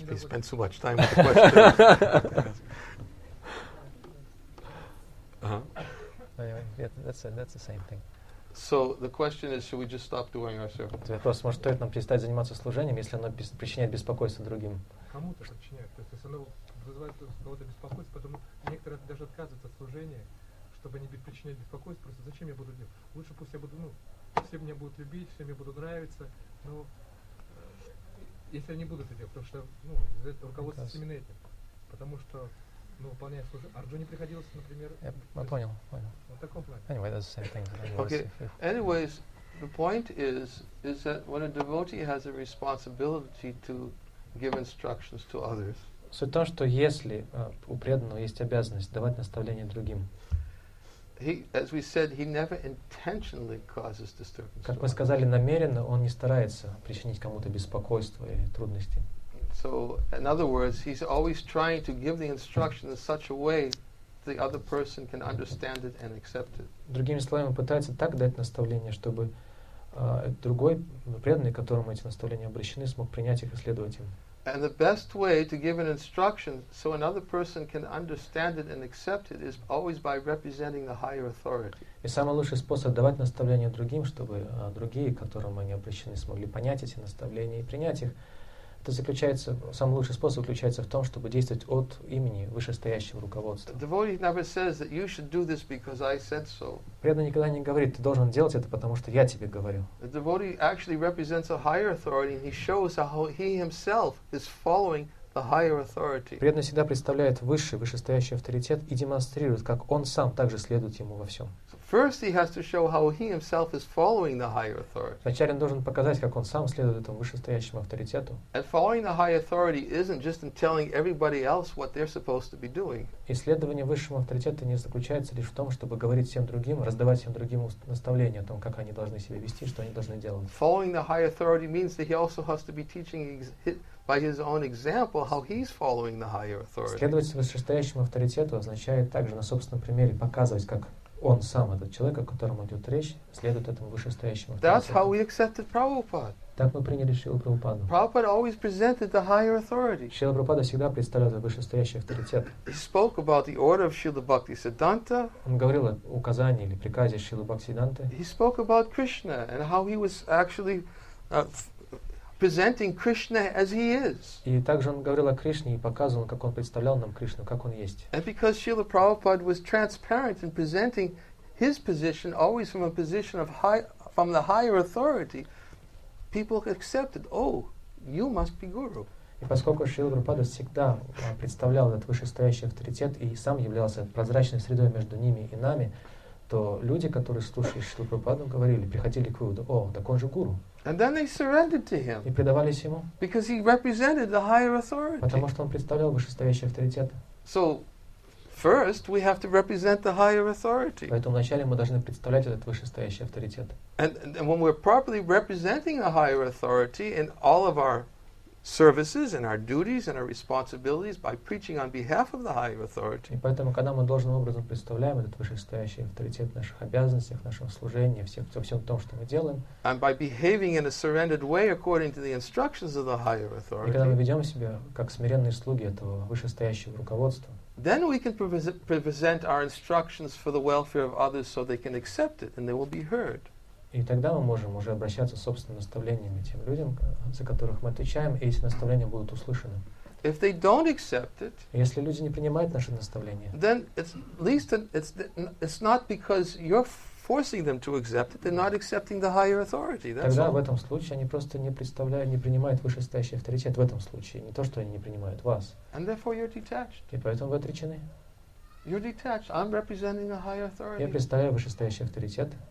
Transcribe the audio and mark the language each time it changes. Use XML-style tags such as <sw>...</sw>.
<en>We spent so much time with the question. That's the same thing. So the question is, should we just stop doing our service?</en> <ru>Вопрос, может, стоит нам перестать заниматься служением, если оно причиняет беспокойство другим? Кому-то причиняет, то есть если оно вызывает у кого-то беспокойство, потому некоторые даже отказываются от служения, чтобы не причинять беспокойство, просто зачем я буду делать? Лучше пусть я буду, все меня будут любить, все мне будут нравиться, но если они будут это делать, потому что, руководствуются именно этим, потому что, выполняя служение, Арджуне приходилось, например... Я понял. В таком плане.</ru> <en>Anyway, that's the same thing. Anyways, the point is that when a devotee has a responsibility to give instructions to others.</en> <ru>Суть в том, что если у преданного есть обязанность давать наставления другим, как мы сказали, намеренно он не старается причинить кому-то беспокойство или трудности.</ru> <en>So, in other words, he's always trying to give the instructions in such a way the other person can understand it and accept it.</en> <ru>Другими словами, пытается так дать наставление, чтобы другой преданный, которому эти наставления обращены, смог принять их и следовать им.</ru> <en>And the best way to give an instruction so another person can understand it and accept it is always by representing the higher authority.</en> <ru>И самый лучший способ давать наставления другим, чтобы другие, к которым они обращены, смогли понять эти наставления и принять их, это заключается, самый лучший способ заключается в том, чтобы действовать от имени вышестоящего руководства.</ru> <en>The devotee never says that you should do this because I said so.</en> <ru>Преданный никогда не говорит, ты должен делать это, потому что я тебе говорил.</ru> <en>The devotee actually represents a higher authority and he shows how he himself is following the higher authority.</en> <ru>Преданный всегда представляет высший, вышестоящий авторитет и демонстрирует, как он сам также следует ему во всем.</ru> <en>First he has to show how he himself is following the higher authority.</en> <ru>Вначале он должен показать, как он сам следует этому вышестоящему авторитету.</ru> <en>And following the higher authority isn't just in telling everybody else what they're supposed to be doing.</en> <ru>И следование высшему авторитету не заключается лишь в том, чтобы говорить всем другим, раздавать всем другим наставления о том, как они должны себя вести, что они должны делать.</ru> <en>Following the higher authority means that he also has to be teaching by his own example how he's following the higher authority.</en> <ru>Следовать вышестоящему авторитету означает также на собственном примере показывать, как он сам, этот человек, о котором идет речь, следует этому вышестоящему авторитету.</ru> <en>That's how we accepted Prabhupada.</en> <ru>Так мы приняли Шрилу Прабхупаду.</ru> <en>Prabhupada always presented the higher authority.</en> <ru>Шрила Прабхупада всегда представлял вышестоящий авторитет.</ru> <en>He spoke about the order of Shrila Bhakti Siddhanta.</en> <ru>Он говорил о указании или приказе Шрилы Бхакти Сидданты.</ru> <en>He spoke about Krishna and how he was actually presenting Krishna as he is.</en> <ru>И также он говорил о Кришне и показывал, как он представлял нам Кришну, как он есть.</ru> <en>And because Srila Prabhupada was transparent in presenting his position always from a position of high, from the higher authority, people accepted, oh, you must be guru.</en> <ru>И поскольку Шрила Прабхупада всегда представлял этот вышестоящий авторитет и сам являлся прозрачной средой между ними и нами, то люди, которые слушали Шрилу Прабхупаду, говорили, приходили к выводу, о, так он же гуру.</ru> <en>And then they surrendered to him.</en> <ru>И предавались ему.</ru> <en>Because he represented the higher authority.</en> <ru>Потому что он представлял вышестоящий авторитет.</ru> <en>So, first we have to represent the higher authority.</en> <ru>Поэтому вначале мы должны представлять этот вышестоящий авторитет.</ru> <en>And when we're properly representing the higher authority in all of our services and our duties and our responsibilities by preaching on behalf of the higher authority.</en> <ru>И поэтому, когда мы должным образом представляем этот вышестоящий авторитет в наших обязанностях, в нашем служении, всем том, что мы делаем.</ru> <en>And by behaving in a surrendered way according to the instructions of the higher authority.</en> <ru>И когда мы ведем себя как смиренные слуги этого вышестоящего руководства.</ru> <en>Then we can present our instructions for the welfare of others so they can accept it and they will be heard.</en> <ru>И тогда мы можем уже обращаться с собственными наставлениями тем людям, за которых мы отвечаем, и эти наставления будут услышаны.</ru> <en>If they don't accept it,</en> <ru>если люди не принимают наши наставления,</ru> <en>then it's not because you're forcing them to accept it, they're not accepting the higher authority. That's</en> <ru>тогда</ru> <en>all.</en> <ru>В этом случае они просто не принимают вышестоящий авторитет в этом случае, не то, что они не принимают вас.</ru> <en>And therefore you're detached.</en> <ru>И поэтому вы отречены.</ru> <en>You're detached. I'm representing a higher authority.</en> <ru>Я представляю вышестоящий авторитет.</ru>